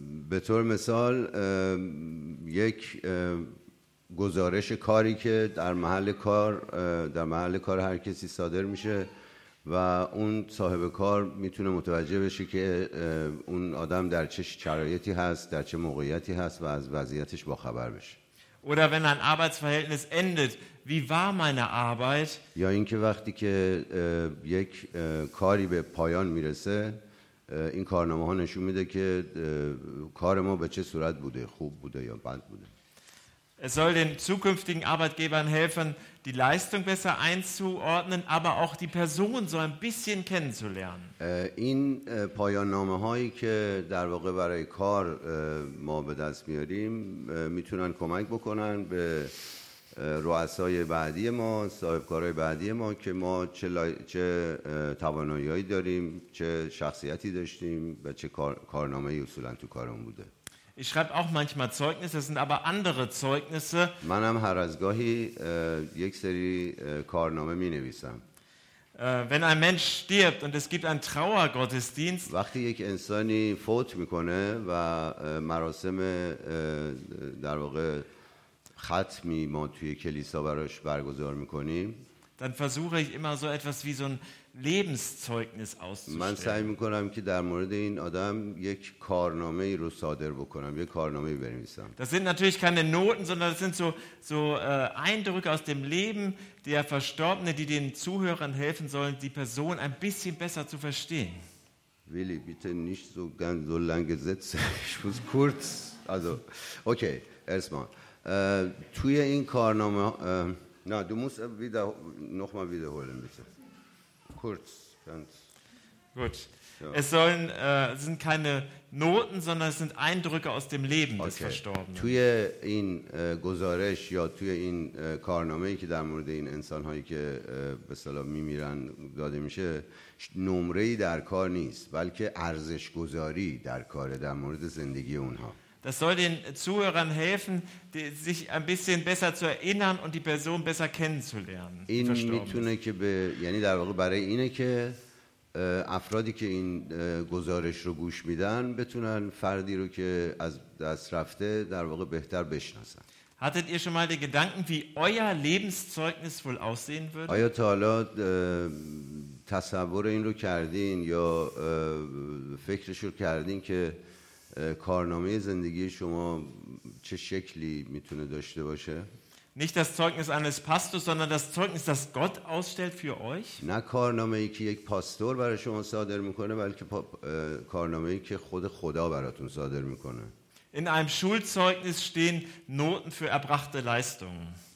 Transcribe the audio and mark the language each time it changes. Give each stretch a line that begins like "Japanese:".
Persian: به طور مثال یک گزارش کاری که در محل کار هر کسی صادر میشه و اون صاحب کار میتونه متوجه بشه که اون آدم در چه شرایطی هست، در چه موقعیتی هست و از وضعیتش با خبر بشه.
German: Oder wenn ein Arbeitsverhältnis endet, wie war meine Arbeit?
Persian: یا اینکه وقتی که یک کاری به پایان میرسه این کارنامه ها نشون میده که کار ما به چه صورت بوده، خوب بوده یا بد بوده.
German: Es soll den zukünftigen Arbeitgebern helfen, die Leistung besser einzuordnen, aber auch die Person so ein bisschen kennenzulernen.
Persian: این پایان‌نامه هایی که در واقع برای کار ما به دست میاریم میتونن کمک بکنن به رؤسای بعدی ما، صاحبکارهای بعدی ما که ما چه توانایی داریم، چه شخصیتی داشتیم و چه کارنامه ای اصولا تو کارمون بوده.
German: Ich schreibe auch manchmal Zeugnisse, das sind aber andere Zeugnisse.
Persian: من هم هر از گاهی یک سری کارنامه می نویسم.
German: Wenn ein Mensch stirbt und es gibt einen Trauergottesdienst.
Persian: وقتی یک انسانی فوت میکنه و مراسم در واقع ختمی ما توی کلیسا براش برگزار میکنیم.
German: Dann versuche ich immer so etwas wie so ein Lebenszeugnis auszustellen.
Persian: من سعی میکنم که در مورد این آدم یک کارنامه ای رو صادر بکنم، یک کارنامه ای بنویسم.
German: Das sind natürlich keine Noten, sondern das sind so Eindrücke aus dem Leben der Verstorbene, die den Zuhörern helfen sollen, die Person ein bisschen besser zu verstehen. Willi, bitte nicht so ganz so lange Sätze. Ich muss kurz. Also, okay, erstmal. Tue in Karname. Na, du musst wieder noch mal wiederholen, bitte. Kurz, ganz. Gut. Es sollen sind keine Noten, sondern es sind Eindrücke aus dem Leben des Verstorbenen.
Persian: توی این گزارش یا توی این کارنامه‌ای که در مورد این انسان‌هایی که به اصطلاح می‌میرن داده میشه، نمره‌ای در کار نیست، بلکه ارزش‌گذاری در کار در مورد زندگی اونها.
German: Das soll den Zuhörern helfen, sich ein bisschen besser zu erinnern und die Person besser kennenzulernen.
Persian: این میتونه که به یعنی در واقع برای اینه که افرادی که این گزارش رو گوش میدن بتونن فردی رو که از دست رفته در واقع بهتر بشناسن.
German: Hattet ihr schon mal die Gedanken, wie euer Lebenszeugnis wohl aussehen würde?
Persian: آیا تا حالا تصور این رو کردین یا فکرش رو کردین که کارنامه زندگی شما چه شکلی میتونه داشته باشه؟
German: Nicht das Zeugnis eines Pastors, sondern das Zeugnis, das Gott ausstellt für euch.
Persian: نه کارنامه‌ای که یک پاستور برای شما صادر می‌کنه، بلکه کارنامه‌ای که خود خدا براتون صادر می‌کنه.
German: In einem Schulzeugnis stehen Noten für erbrachte Leistungen.